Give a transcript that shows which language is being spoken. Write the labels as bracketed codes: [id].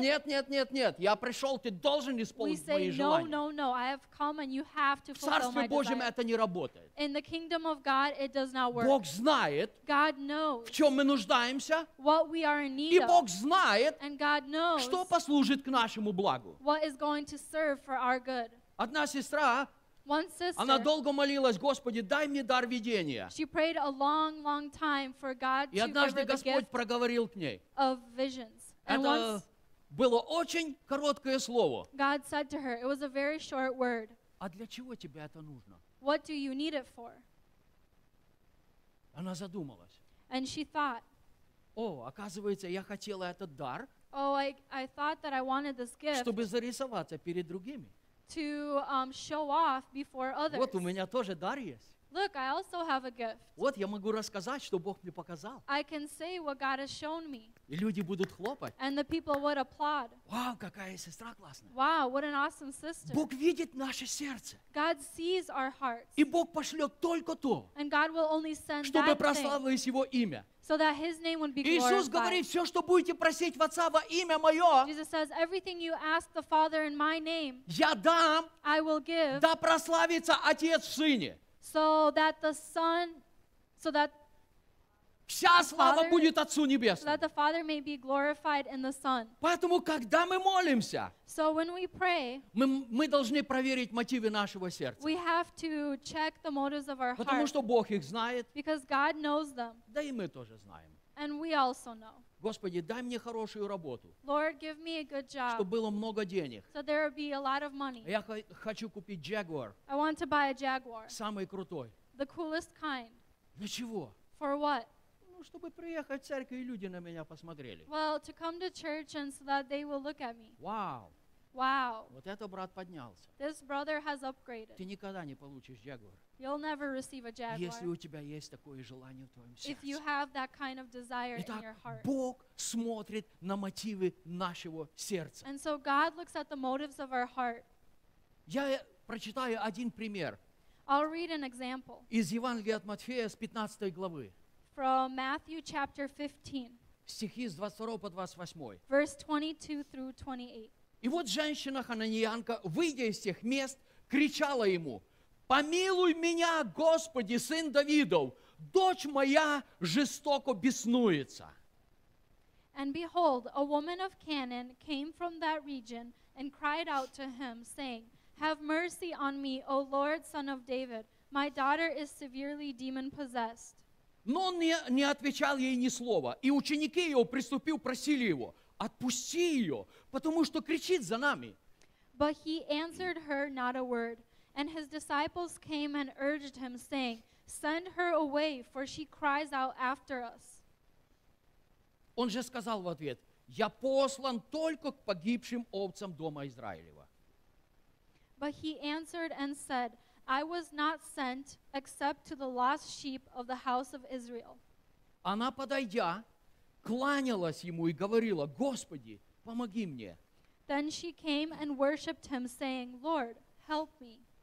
[ru] нет, нет, нет, нет, я пришел, ты должен исполнить [en] we say, [ru] мои [en] no, [ru] желания. [en] No, no, no, I have come and you have to fulfill my desire. [ru] В Царстве Божьем это не работает. [en] In the kingdom of God, it does not work. [ru] Бог знает, [en] God knows, [ru] в чем мы нуждаемся, [en] what we are in need [ru] и Бог знает, [en] and God knows, [ru] что послужит к нашему благу. [en] What is going to serve for our good. [ru] Одна сестра, [en] one sister, [ru] она долго молилась, Господи, дай мне дар видения. [en] She prayed a long, long time for God [ru] и однажды Господь проговорил к ней. [en] Of visions. And [ru] это [en] once, [ru] было очень короткое слово. [en] God said to her, it was a very short word. [ru] А для чего тебе это нужно? [en] What do you need it for? [ru] Она задумалась. [en] And she thought, [ru] oh, оказывается, я хотела этот дар, [en] oh, I thought that I wanted this gift, [ru] чтобы зарисоваться перед другими. [en] To show off before others. [ru] Вот у меня тоже дар есть. [en] Look, I also have a gift. [ru] Вот я могу рассказать, что Бог мне показал. [en] I can say what God has shown me. [ru] И люди будут хлопать. [en] And the people would applaud. [ru] Вау, какая сестра классная. [en] Wow, what an awesome sister. [ru] Бог видит наше сердце. [en] God sees our hearts. [ru] И Бог пошлет только то. [en] And God will only send that thing. [ru] Чтобы прославилось Его имя. [en] So that His name would be glorified. [ru] Иисус говорит, все, что будете просить в Отца во имя Мое. [en] Jesus says, everything you ask the Father in My name. [ru] Я дам. [en] I will give. [ru] Да прославится Отец в Сыне. [en] So that the Son, so that [ru] вся слава будет Отцу Небесному. [en] So that the Father may be glorified in the Son. [ru] Поэтому, когда мы молимся, [en] so when we pray, [ru] мы должны проверить мотивы нашего сердца. [en] We have to check the motives of our heart. [ru] Потому что Бог их знает. [en] Because God knows them. [ru] Да и мы тоже знаем. [en] And we also know. [ru] Господи, дай мне хорошую работу. [en] Lord, give me a good job. [ru] Чтобы было много денег. [en] So there will be a lot of money. [ru] Я хочу купить Jaguar. [en] I want to buy a Jaguar. [ru] Самый крутой. [en] The coolest kind. [ru] Для чего? [en] For what? [ru] Ну, чтобы приехать в церковь и люди на меня посмотрели. [en] Well, to come to church and so that they will look at me. Wow. Wow. [ru] Вот это брат поднялся. [en] This brother has upgraded. [ru] Ты никогда не получишь Jaguar. [en] You'll never receive a Jaguar. [ru] Если у тебя есть такое желание в твоем сердце. [en] If you have that kind of desire [ru] Итак, [en] in your heart. [ru] Бог смотрит на мотивы нашего сердца. [en] And so God looks at the motives of our heart. [ru] Я прочитаю один пример. [en] I'll read an example. [ru] Из Евангелия от Матфея с 15 главы. [en] From Matthew chapter 15. [ru] Стихи с 22 по 28. [en] Verse 22 through 28. [ru] И вот женщина хананеянка, выйдя из тех мест, кричала ему: «Помилуй меня, Господи, сын Давидов, дочь моя жестоко беснуется». [en] And behold, a woman of Canaan came from that region and cried out to him, saying, «Have mercy on me, O Lord, son of David. My daughter is severely demon-possessed». [ru] Но он не отвечал ей ни слова, и ученики его, приступив, просили его: «Отпусти ее, потому что кричит за нами». [en] But he answered her not a word. And his disciples came and urged him, saying, send her away, for she cries out after us. [ru] Он же сказал в ответ: я послан только к погибшим овцам дома Израилева. [en] But he answered and said, I was not sent except to the lost sheep of the house of Israel. [ru] Она, подойдя, кланялась ему и говорила: Господи, помоги мне. [en] Then she came and worshipped him, saying, Lord, help me.